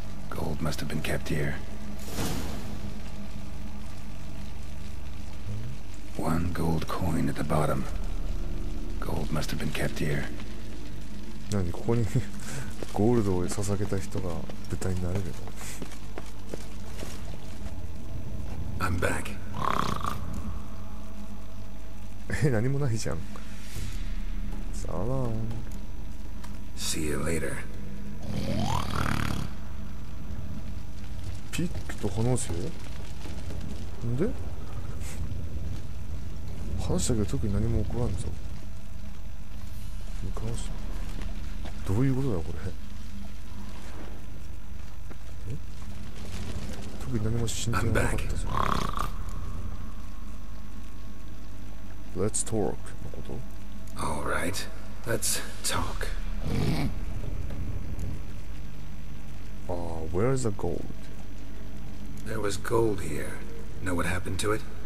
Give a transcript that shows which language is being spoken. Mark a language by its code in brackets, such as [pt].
[en] Gold must have been kept here. One gold coin at the bottom. Gold must have been kept here. [ja] 何、ここにゴールドを捧げた人が舞台になれる。 [en] I'm back. [ja] え、何もないじゃん。さあな。 [en] See you later. [ja] ピックと話すよ。んで話したけど特に何も起こらんぞ。向かわす、どういうことだこれ。え、特に何も進展なかったぞ。 [en] Let's talk [ja] のこと。 [en] Alright, let's talk. Where's the gold There was gold here. Know what happened to it?